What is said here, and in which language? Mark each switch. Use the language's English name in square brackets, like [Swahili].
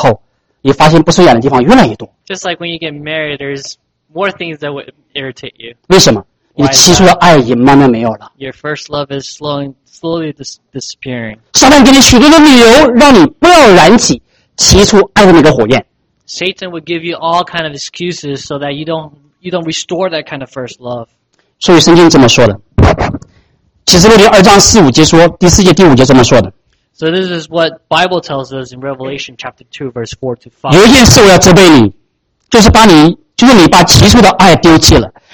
[Chinese] 就像你家里面有那一位以后，你发现不顺眼的地方越来越多. [English] Just like when you get married, there's more things that would irritate you. [Chinese] 为什么？你起初的爱也慢慢没有了。 [English] Your first love is slowly disappearing. [Chinese] 撒旦给你许多的理由，让你不要燃起起初爱的那个火焰。 [English] Satan would give you all kind of excuses so that you don't restore that kind of first love. [Chinese] 所以圣经这么说的。启示录第2章4-5节说，第4节第5节这么说的。 [English] So this is what Bible tells us in Revelation chapter 2:4-5. [Chinese] 有一件事我要责备你，就是你把起初的爱丢弃了。